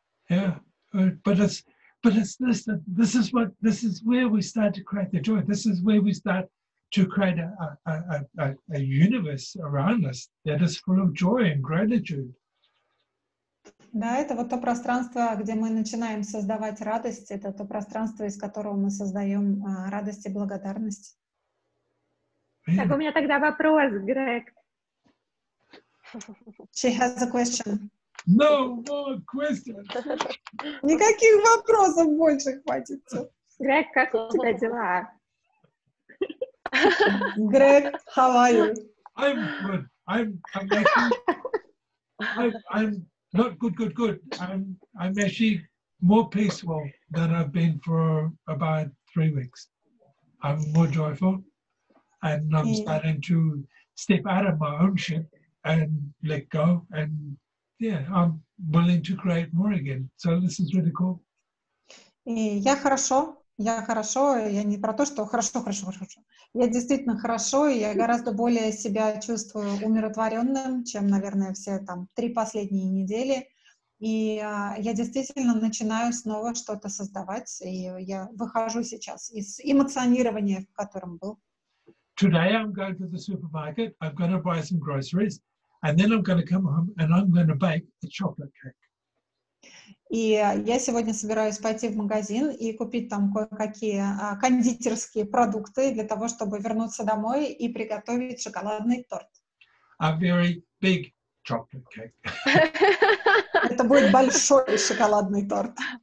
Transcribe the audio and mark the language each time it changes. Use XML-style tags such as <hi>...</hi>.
<en>Yeah, but it's this, this is what, this is where we start to create the joy. This is where we start to create a universe around us that is full of joy and gratitude.</en> <ru>Да, это вот то пространство, где мы начинаем создавать радость, это то пространство, из которого мы создаем радость и благодарность. Так, у меня тогда вопрос, Грег.</ru> <en>She has a question. No more questions.</en> <ru>Никаких вопросов больше хватит. Грег, как у тебя дела?</ru> <en>Грег, how are you? I'm good. I'm actually... I'm... Not good, good, good. I'm actually more peaceful than I've been for about 3 weeks. I'm more joyful, and I'm starting to step out of my own shit and let go. And yeah, I'm willing to create more again. So this is really cool.</en> <ru>И я хорошо. Я хорошо, я не про то, что хорошо. Я действительно хорошо, и я гораздо более себя чувствую умиротворенным, чем, наверное, все там 3 последние недели. И я действительно начинаю снова что-то создавать, и я выхожу сейчас из эмоционирования, в котором был.</ru> <en>Today I'm going to the supermarket, I'm going to buy some groceries, and then I'm going to come home and I'm going to bake a chocolate cake.</en> <ru>И я сегодня собираюсь пойти в магазин и купить там кое-какие кондитерские продукты для того, чтобы вернуться домой и приготовить шоколадный торт.</ru> <en>A very big chocolate cake.</en> <ru>Это будет большой шоколадный торт.</ru>